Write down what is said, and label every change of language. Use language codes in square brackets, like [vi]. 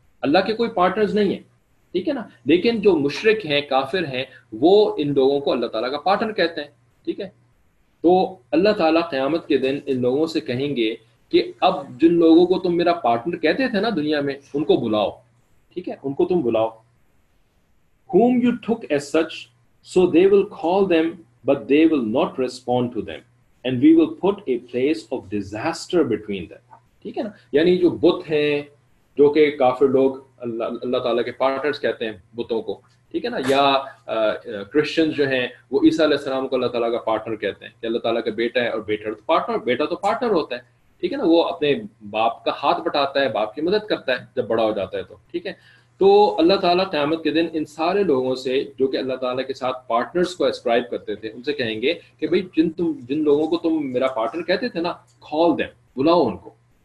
[ur] اللہ کے کوئی partners نہیں ہیں, ٹھیک ہے نا, لیکن جو مشرک ہیں کافر ہیں وہ ان لوگوں کو اللہ تعالیٰ کا partner کہتے ہیں. ٹھیک ہے, تو اللہ تعالیٰ قیامت کے دن ان لوگوں سے کہیں گے کہ اب جن لوگوں کو تم میرا پارٹنر کہتے تھے نا دنیا میں, ان کو بلاؤ. ٹھیک ہے, ان کو تم بلاؤ. [en] Whom you took as such, so they will call them, but they will not respond to them. And we will put a place of disaster between them. [ur] ٹھیک ہے نا, یعنی جو بت ہیں جو کہ کافر لوگ اللہ تعالیٰ کے پارٹنرز کہتے ہیں بتوں کو, ٹھیک ہے نا, یا کرسچنز جو ہیں وہ عیسیٰ علیہ السلام کو اللہ تعالیٰ کا پارٹنر کہتے ہیں کہ اللہ تعالیٰ کا بیٹا ہے, اور بیٹر تو پارٹنر, بیٹا تو پارٹنر ہوتا ہے. ٹھیک ہے نا, وہ اپنے باپ کا ہاتھ بٹاتا ہے, باپ کی مدد کرتا ہے جب بڑا ہو جاتا ہے. تو ٹھیک ہے, تو اللہ تعالیٰ قیامت کے دن ان سارے لوگوں سے جو کہ اللہ تعالیٰ کے ساتھ پارٹنرز کو اسکرائب کرتے تھے ان سے کہیں گے کہ بھائی جن لوگوں کو تم میرا پارٹنر کہتے تھے نا, [en] call them, [ur] بلاؤ ان کو.